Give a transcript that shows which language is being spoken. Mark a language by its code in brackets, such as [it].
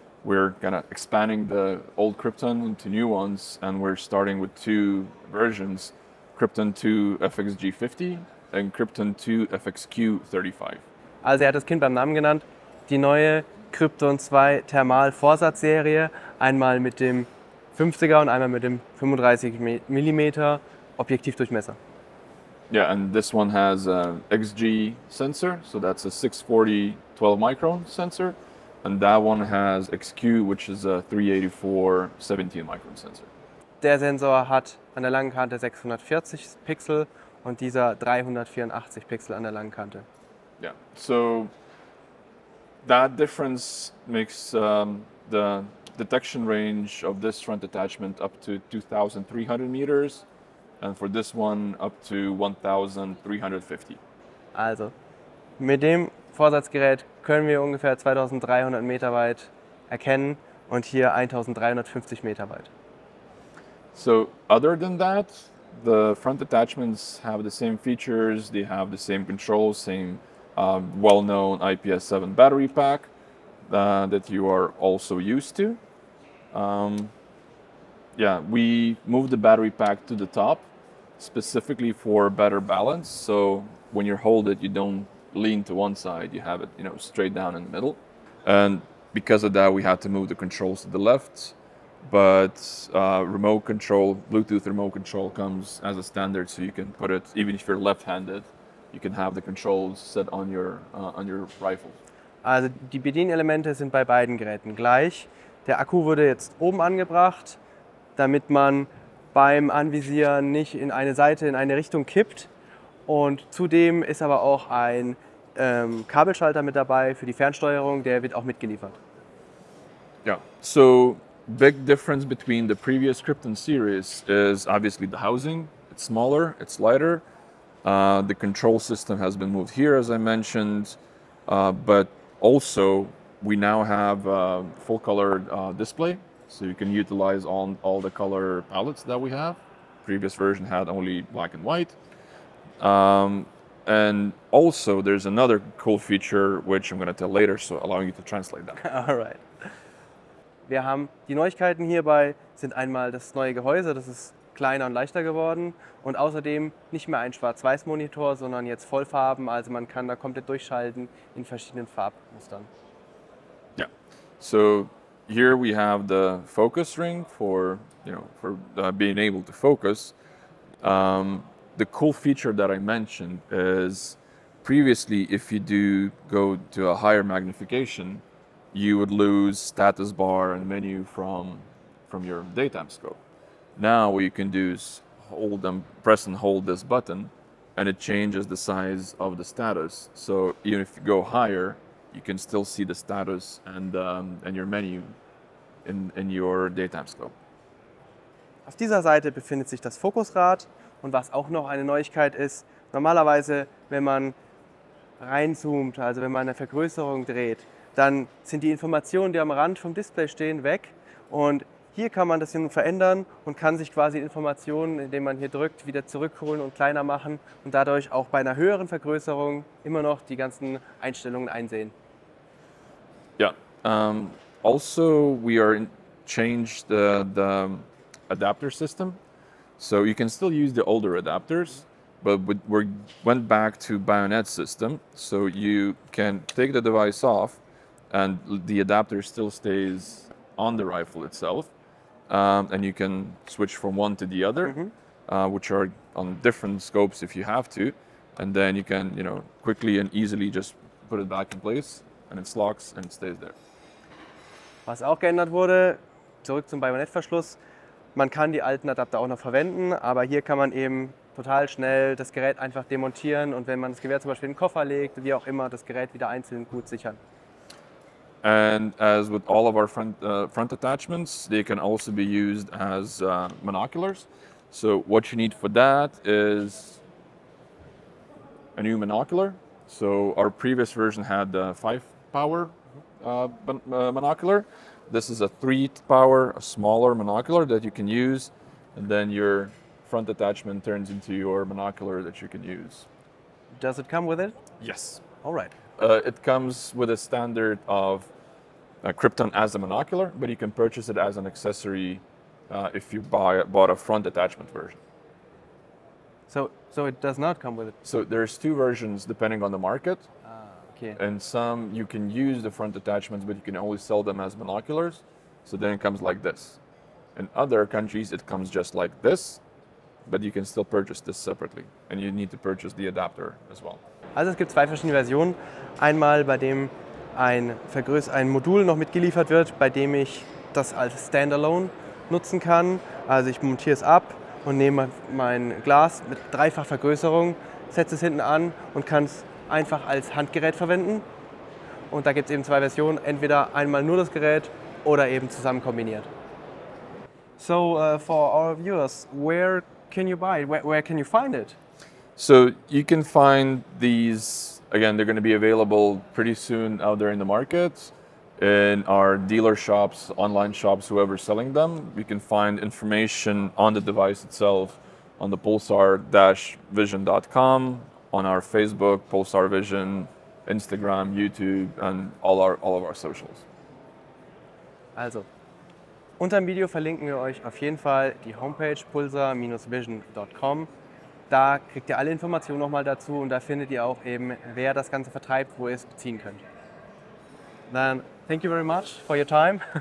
[en] We're kind of expanding the old Krypton into new ones, and we're starting with two versions. Krypton 2 FXG 50 and Krypton 2 FXQ 35. [de] Also er hat das Kind beim Namen genannt. Die neue Krypton 2 Thermalvorsatzserie, einmal mit dem 50er und einmal mit dem 35 mm Objektivdurchmesser. [en] Yeah, and this one has an XG sensor, so that's a 640 12 micron sensor. And that one has XQ, which is a 384 17 micron sensor. [de] Der Sensor hat an der langen Kante 640 Pixel und dieser 384 Pixel an der langen Kante. [en] Yeah, so that difference makes the detection range of this front attachment up to 2,300 meters and for this one up to 1,350. [de] Also, mit dem Vorsatzgerät können wir ungefähr 2,300 Meter weit erkennen und hier 1,350 Meter weit. [en] So other than that, the front attachments have the same features, they have the same controls, same well-known IPS7 battery pack that you are also used to. We moved the battery pack to the top specifically for better balance. So when you hold it, you don't lean to one side, you have it, you know, straight down in the middle. And because of that, we had to move the controls to the left. But remote control, Bluetooth remote control comes as a standard, so you can put it, even if you're left-handed, you can have the controls set on your rifle. [de] Also die Bedienelemente sind bei beiden Geräten gleich. Der Akku wurde jetzt oben angebracht, damit man beim Anvisieren nicht in eine Seite, in eine Richtung kippt. Und zudem ist aber auch ein Kabelschalter mit dabei für die Fernsteuerung, der wird auch mitgeliefert. Ja, yeah. [en] So big difference between the previous Krypton series is obviously the housing. It's smaller, it's lighter. The control system has been moved here, as I mentioned. But also, we now have a full-color display, so you can utilize all the color palettes that we have. Previous version had only black and white. And also, there's another cool feature, which I'm going to tell later, so allowing you to translate that. All right. [de] Wir haben die Neuigkeiten hierbei, sind einmal das neue Gehäuse, das ist kleiner und leichter geworden und außerdem nicht mehr ein Schwarz-Weiß-Monitor, sondern jetzt Vollfarben, also man kann da komplett durchschalten in verschiedenen Farbmustern. [en] Ja, so here we have the focus ring for, you know, for being able to focus. The cool feature that I mentioned is previously if you do go to a higher magnification, you would lose status bar and menu from your daytime scope. Now what you can do is press and hold this button and it changes the size of the status. So even if you go higher, you can still see the status and your menu in your daytime scope. [de] Auf dieser Seite befindet sich das Fokusrad und was auch noch eine Neuigkeit ist, normalerweise wenn man reinzoomt, also wenn man eine Vergrößerung dreht, dann sind die Informationen, die am Rand vom Display stehen, weg. Und hier kann man das nun verändern und kann sich quasi Informationen, indem man hier drückt, wieder zurückholen und kleiner machen und dadurch auch bei einer höheren Vergrößerung immer noch die ganzen Einstellungen einsehen. Ja, also [en] we are changed the adapter system. So you can still use the older adapters. But we went back to bayonet system, so you can take the device off and the adapter still stays on the rifle itself. And you can switch from one to the other, mm-hmm. Which are on different scopes if you have to. And then you can, you know, quickly and easily just put it back in place and it locks and it stays there. [de] Was auch geändert wurde, zurück zum Bayonettverschluss. Man kann die alten Adapter auch noch verwenden, aber hier kann man eben total schnell das Gerät einfach demontieren und wenn man das Gewehr zum Beispiel in den Koffer legt, wie auch immer, das Gerät wieder einzeln gut sichern. [en] And as with all of our front attachments, they can also be used as monoculars. So what you need for that is a new monocular. So our previous version had a 5-power monocular. This is a 3-power, a smaller monocular that you can use, and then your front attachment turns into your monocular that you can use. Does it come with it? Yes. All right. It comes with a standard of Krypton as a monocular, but you can purchase it as an accessory if you bought a front attachment version. So it does not come with it? So there's two versions depending on the market. Okay. And some you can use the front attachments, but you can only sell them as monoculars. So then it comes like this. In other countries, it comes just like this, but you can still purchase this separately. And you need to purchase the adapter as well. [de] Also es gibt zwei verschiedene Versionen. Einmal, bei dem ein Modul noch mitgeliefert wird, bei dem ich das als Standalone nutzen kann. Also ich montiere es ab und nehme mein Glas mit dreifach Vergrößerung, setze es hinten an und kann es einfach als Handgerät verwenden. Und da gibt es eben zwei Versionen, entweder einmal nur das Gerät oder eben zusammen kombiniert. [en] So, for our viewers, where can you buy it? Where can you find it? So, you can find these, again, they're going to be available pretty soon out there in the market, in our dealer shops, online shops, whoever's selling them. You can find information on the device itself on the pulsar-vision.com, on our Facebook, Pulsar Vision, Instagram, YouTube, and all of our socials. [de] Also, unter dem Video verlinken wir euch auf jeden Fall die Homepage pulsar-vision.com. Da kriegt ihr alle Informationen nochmal dazu und da findet ihr auch eben, wer das Ganze vertreibt, wo ihr es beziehen könnt. [en] Then, thank you very much for your time.